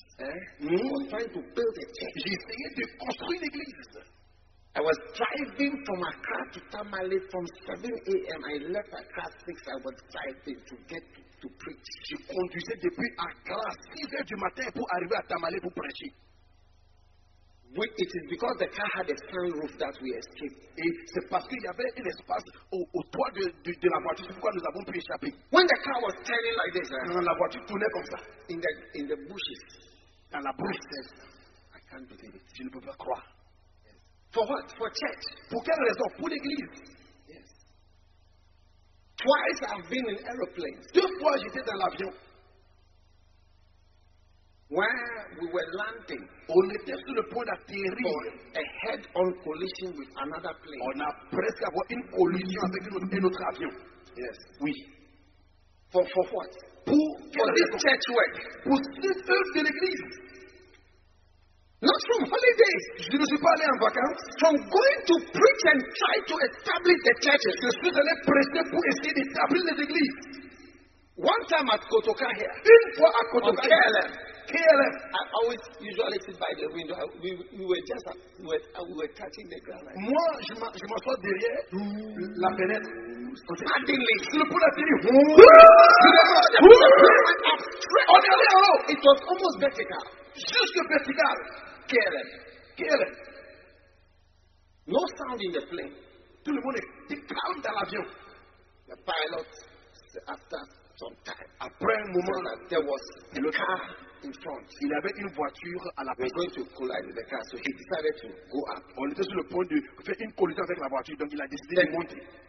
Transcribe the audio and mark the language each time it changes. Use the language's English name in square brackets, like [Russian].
[English] Hein? Mm. I was trying to build a church. [French] J'essayais de construire une église. [English] I was driving from Accra to Tamale from 7 a.m. I left Accra 6. I was driving to get to preach. [French] Je conduisais depuis Accra 6 heures du matin pour arriver à Tamale pour prêcher. [English] We, it is because the car had a sunroof that we escaped. [French] Et c'est parce qu'il y avait un espace au toit de la voiture. C'est pourquoi nous avons pu échapper. [English] When the car was turning like this, [French] la voiture tournait comme ça. [English] In the bushes. [French] Dans la bouche. [English] Yes. I can't believe it. [French] Je ne peux pas croire. [English] For what? For church. [French] Pour quelle raison? Pour l'église. [English] Yes. Twice I've been in aeroplanes. [French] Deux fois j'étais dans l'avion. [English] When we were landing, [French] on était sur le point d'atterrir. [English] For a head-on collision with another plane. [French] On a presque avoir une collision avec un autre avion. [English] Yes. [French] Oui. [English] For what? [French] Pour [English] this church work. [French] Pour cette œuvre de l'église. [English] Not from holidays. [French] Je ne suis pas allé en vacances. [English] From going to preach and try to establish the churches. [French] Je suis allé prêcher pour essayer d'établir les églises. [English] One time at Kotoka here. [French] Une fois à Kotoka. [English] On KLM. [French] KLM. [English] I always usually sit by the window. We were touching the ground. Like [French] moi, je m'assois derrière la fenêtre. [English] Suddenly, [French] sur le point d'atterrir. [English] It was almost vertical. [French] Jusque vertical. [English] KLM. No sound in the plane. [French] Tout le monde était calme dans l'avion. [English] The pilot, after some time, [French] après un moment, là, [English] there was a car in front. [French] Il avait une voiture à la piste. [English] We were going to collide with the car, so he decided to go up. [French] On était sur le point de faire une collision avec la voiture, donc il a décidé de monter.